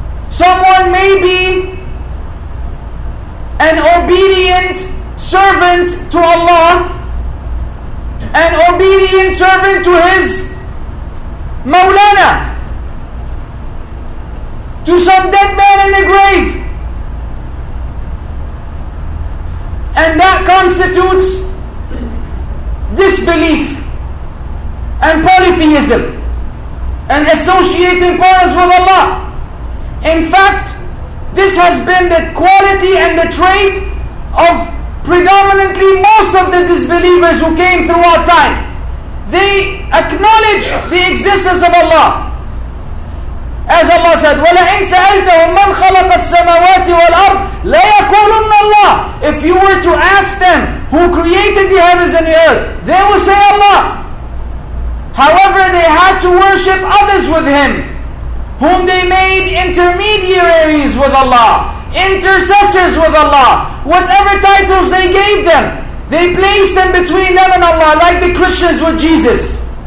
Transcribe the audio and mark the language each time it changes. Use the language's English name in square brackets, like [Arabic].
[English] Someone may be an obedient servant to Allah, an obedient servant to his Mawlana, to some dead man in the grave, and that constitutes disbelief and polytheism and associating partners with Allah. In fact, this has been the quality and the trait of predominantly most of the disbelievers who came throughout time. They acknowledged the existence of Allah. As Allah said, [Arabic] وَلَئِن سَأَلْتَهُمْ مَنْ خَلَقَ السَّمَوَاتِ وَالْأَرْضِ لَيَكُولُنَّ اللَّهِ. [English] If you were to ask them who created the heavens and the earth, they would say Allah. However, they had to worship others with Him, whom they made intermediaries with Allah, intercessors with Allah. Whatever titles they gave them, they placed them between them and Allah, like the Christians with Jesus.